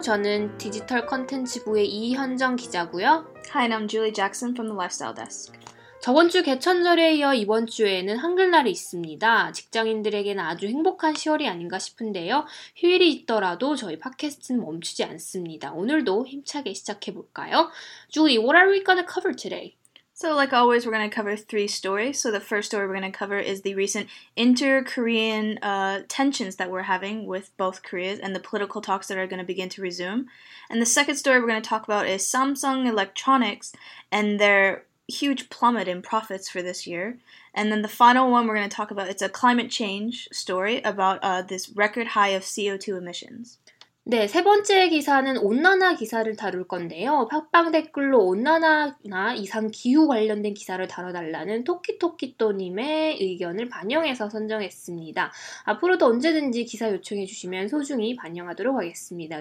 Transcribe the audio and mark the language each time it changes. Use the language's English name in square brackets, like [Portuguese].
[Korean] 저는 디지털 콘텐츠부의 이현정 기자고요. [English] Hi, and I'm Julie Jackson from the Lifestyle Desk. [Korean] 저번 주 개천절에 이어 이번 주에는 한글날이 있습니다. 직장인들에게는 아주 행복한 시월이 아닌가 싶은데요. 휴일이 있더라도 저희 팟캐스트는 멈추지 않습니다. 오늘도 힘차게 시작해볼까요? [English] Julie, what are we going to cover today? So like always, we're going to cover three stories. So the first story we're going to cover is the recent inter-Korean tensions that we're having with both Koreas and the political talks that are going to begin to resume. And the second story we're going to talk about is Samsung Electronics and their huge plummet in profits for this year. And then the final one we're going to talk about, it's a climate change story about this record high of CO2 emissions. [Korean] 네, 세 번째 기사는 온난화 기사를 다룰 건데요. 팟빵 댓글로 온난화나 이상 기후 관련된 기사를 다뤄달라는 토끼토끼또님의 의견을 반영해서 선정했습니다. 앞으로도 언제든지 기사 요청해주시면 소중히 반영하도록 하겠습니다.